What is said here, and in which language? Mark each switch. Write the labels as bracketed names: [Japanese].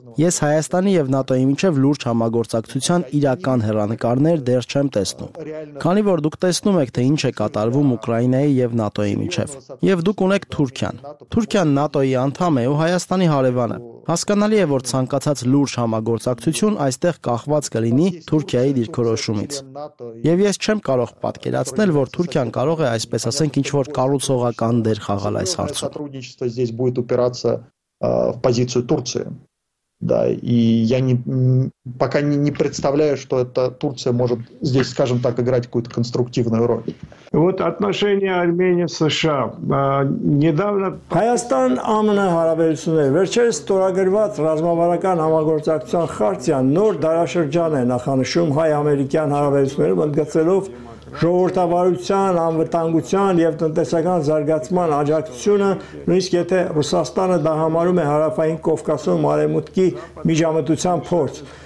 [Armenian] Ես Հայաստանի և ՆԱՏՕ-ի միջև լուրջ համագործակցության իրական հեռանկարներ դեռ չեմ տեսնում։ Քանի որ դուք տեսնում եք, թե ինչ է կատարվում Ուկրաինայի և ՆԱՏՕ-ի միջև, և դուք ունեք Թուրքիան։ Թուրքիան ՆԱՏՕ-ի անդամ է ու Հայաստանի հարևանը։ Հասկանալի է, որ ցանկացած լուրջ համագործակցություն այստեղ կախված կլինի Թուրքիայի դիրքորոշումից։ Եվ ես չեմ կարող պատկերացնել, որ Թուրքիան կարող է, այսպես ասենք, ինչ-որ կառուցողական դեր խաղալ այս հարցում։ [Russian] Сотрудничество здесь будет упираться в позицию Турции. Да, и я не пока не представляю, что это Турция может здесь, скажем так, играть какую-то конструктивную роль. Вот отношения Армении с США. Недавно [Armenian] Հայաստան ԱՄՆ հարաբերությունները վերջերս ստորագրված ռազմավարական համագործակցության խարտիա նոր դարաշրջան է նախանշում հայ-ամերիկյան հարաբերությունները, մտցելով ժողովրդավարության, անվտանգության և տնտեսական զարգացման աջակցությունը, նույնիսկ եթե Ռուսաստանը դա համարում է Հարավային Կովկասում արևմուտքի միջամտության փորձ,